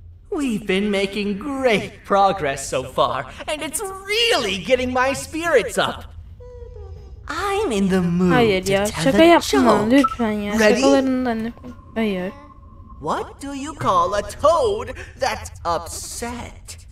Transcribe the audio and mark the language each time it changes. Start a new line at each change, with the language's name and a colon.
English: We've been making great progress so far, and it's really getting my spirits up. I'm in the mood.
Turkish: Hayır ya, şaka yapma lütfen ya.
English: Ready?
Turkish: Şakalarından lütfen. Hayır.
English: What do you call a toad that's upset?